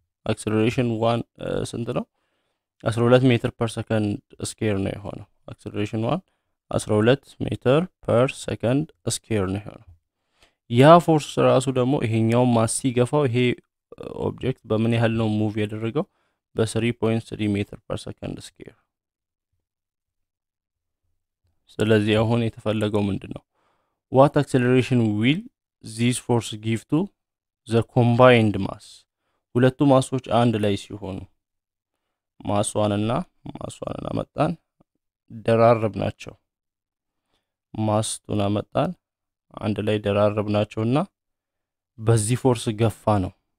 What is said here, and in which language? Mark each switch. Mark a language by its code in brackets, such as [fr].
[am] አክሰለሬሽን 1 ስንት ነው? 12 ሜትር ፐር ሰከንድ ስኩዌር ነው የሆነው። አክሰለሬሽን 1 12 ሜትር ፐር ሰከንድ ስኩዌር ነው የሆነው። ያ ፎርስ ራሱ ደግሞ ይሄኛው ማስ ሲገፋው ይሄ ኦብጀክት በምን ያህል ነው ሙቭ ያደረገው? በ3.3 ሜትር ፐር ሰከንድ ስኩዌር። ስለዚህ አሁን የተፈለገው ምንድን ነው? [en] what acceleration will these force give to the combined mass? [am] ሁለቱ ማሶች አንድ ላይ ሲሆኑ ማስዋንና መጣን ደራረብ ናቸው። ማስቱና መጣን አንድ ላይ ደራረብ ናቸውና በዚህ ፎርስ ገፋ ነው።